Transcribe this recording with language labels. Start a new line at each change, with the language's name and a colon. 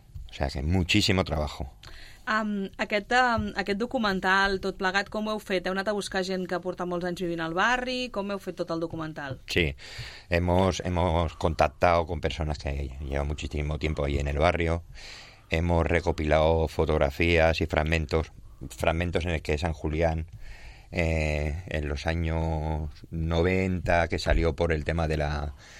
Spanish: O sea, que muchísimo trabajo.
Catalan: Aquest documental, tot plegat, com ho heu fet? Heu anat a buscar gent que porta molts anys vivint al barri? Com heu fet tot el documental?
Spanish: Sí, hemos contactado con personas que llevan muchísimo tiempo ahí en el barrio. Hemos recopilado fotografías y fragmentos en el que San Julián, en los años 90, que salió por el tema de la...